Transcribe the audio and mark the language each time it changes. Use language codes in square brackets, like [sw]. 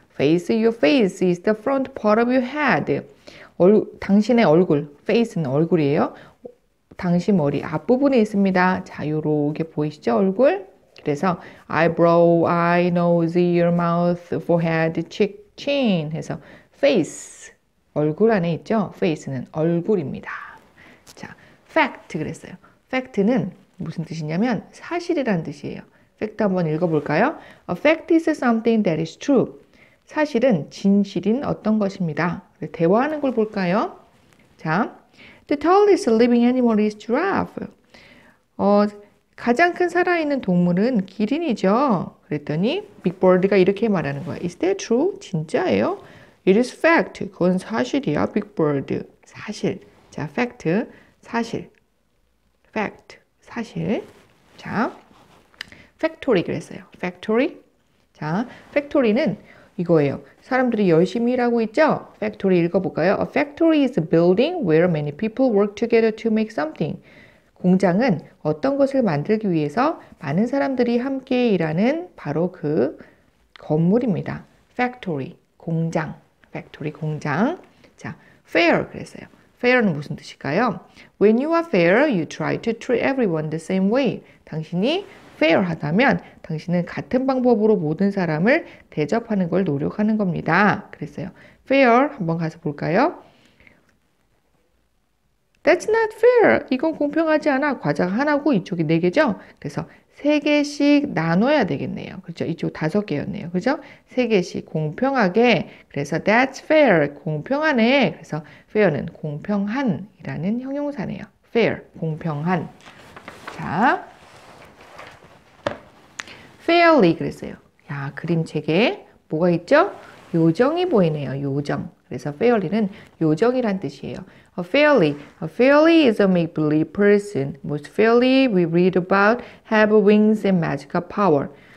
[en] Face, your face is the front part of your head. [ko] 당신의 얼굴, face는 얼굴이에요. 당신 머리 앞부분에 있습니다. 자, 요렇게 보이시죠? 얼굴. 그래서 eyebrow, eye, nose, ear, mouth, forehead, cheek, chin 해서 face 얼굴 안에 있죠? face는 얼굴입니다. 자, fact 그랬어요. fact는 무슨 뜻이냐면 사실이란 뜻이에요. fact 한번 읽어볼까요? [en] A fact is something that is true. [ko] 사실은 진실인 어떤 것입니다. 대화하는 걸 볼까요? 자, [en] the tallest living animal is giraffe. [ko] 가장 큰 살아있는 동물은 기린이죠. 그랬더니 빅버드가 이렇게 말하는 거야. [en] Is that true? [ko] 진짜예요? [en] It is fact. [ko] 그건 사실이야, 빅버드. 사실. 자, fact. 사실. fact. 사실. 자, factory 그랬어요. factory. 자, factory는 이거예요. 사람들이 열심히 일하고 있죠? [en] factory [ko] 읽어볼까요? [en] A factory is a building where many people work together to make something. [ko] 공장은 어떤 것을 만들기 위해서 많은 사람들이 함께 일하는 바로 그 건물입니다. Factory, 공장. Factory, 공장. 자, fair 그랬어요. Fair는 무슨 뜻일까요? [en] When you are fair, you try to treat everyone the same way. [ko] 당신이 fair하다면 당신은 같은 방법으로 모든 사람을 대접하는 걸 노력하는 겁니다. 그랬어요. Fair 한번 가서 볼까요? [en] That's not fair. [ko] 이건 공평하지 않아. 과자 하나고 이쪽이 네 개죠? 그래서 세 개씩 나눠야 되겠네요. 그렇죠? 이쪽 다섯 개였네요. 그렇죠? 세 개씩 공평하게. 그래서 [en] that's fair. [ko] 공평하네. 그래서 fair는 공평한이라는 형용사네요. fair. 공평한. 자, fairly 그랬어요. 야, 그림책에 뭐가 있죠? 요정이 보이네요. 요정. 그래서 fairly는 요정이란 뜻이에요. [en] A fairly is a make-believe person. Most fairly we read about have wings and magical power.